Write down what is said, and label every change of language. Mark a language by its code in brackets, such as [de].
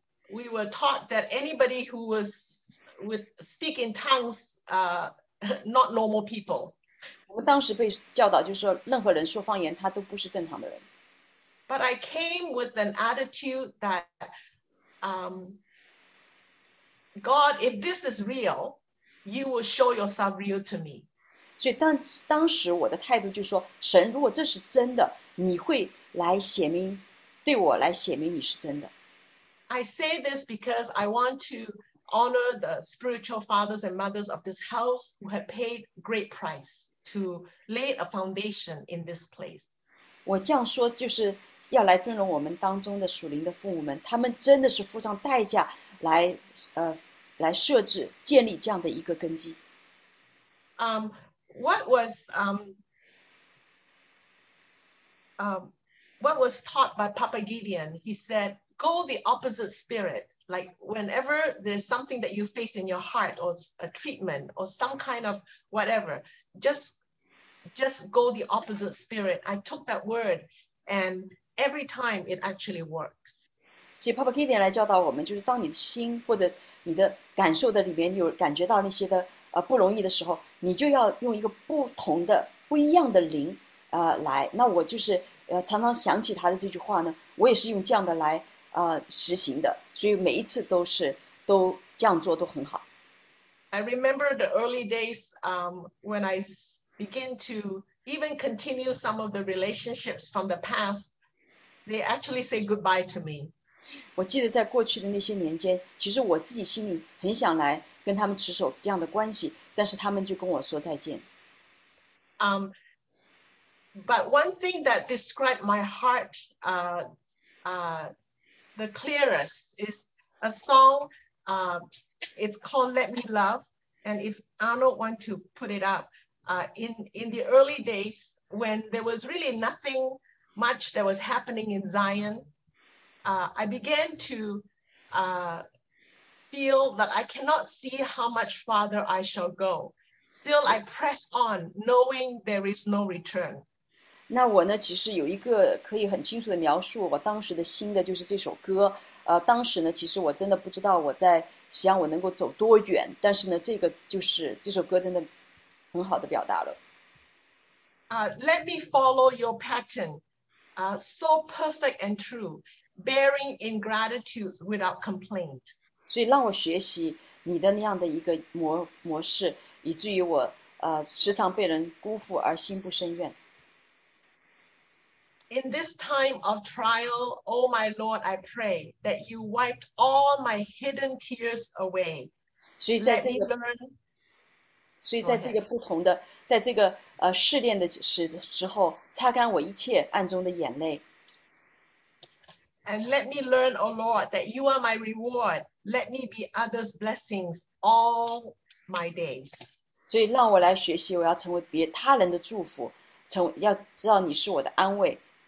[en] We were taught that anybody who was with speak in tongues, not normal people. [zh] 我们当时被教导就是说，任何人说方言，他都不是正常的人。 [en] But I came with an attitude that, God, if this is real, you will show yourself real to me. [zh] 所以当时我的态度就是说，神，如果这是真的，你会来显明，对我来显明你是真的。 [en] I say this because I want to honor the spiritual fathers and mothers of this house who have paid great price to lay a foundation in this place. [zh] 我这样说就是要来尊荣我们当中的属灵的父母们，他们真的是付上代价来设置建立这样的一个根基。 [en] What was taught by Papa Gideon? He said,Go the opposite spirit, like whenever there's something that you face in your heart or a treatment or some kind of whatever, just go the opposite spirit. I took that word and every time it actually works. [zh] 所以 Papa Gideon 来教导我们，就是当你的心或者你的感受的里面有感觉到那些的不容易的时候，你就要用一个不同的不一样的灵来。那我就是常常想起他的这句话呢，我也是用这样的来实行的，所以每一次都这样做都很好。 [en] I remember the early days, when I begin to even continue some of the relationships from the past, they actually say goodbye to me. [zh] 我记得在过去的那些年间，其实我自己心里很想来跟他们持守这样的关系，但是他们就跟我说再见。 [en] But one thing that described my heart, the clearest is a song, it's called Let Me Love. And if Arnold want to put it up, in the early days, when there was really nothing much that was happening in Zion, I began to feel that I cannot see how much farther I shall go. Still, I press on, knowing there is no return. [zh] 那我呢其实有一个可以很清楚的描述我当时的心的，就是这首歌。当时呢其实我真的不知道我在想我能够走多远，但是呢这个就是这首歌真的很好的表达了。 [en] Let me follow your pattern, so perfect and true, bearing ingratitude without complaint. [zh] 所以让我学习你的那样的一个模式，以至于我时常被人辜负而心不生怨。 [en] In this time of trial, oh my Lord, I pray that you wiped all my hidden tears away. [zh] 所以在这个 [en] Let me learn. [zh] 所以在这个不同的，在这个试炼的时候，擦干我一切暗中的眼泪。 [en] And let me learn, oh Lord, that you are my reward. Let me be others' blessings all my days. [zh] 所以让我来学习，我要成为别他人的祝福，要知道你是我的安慰。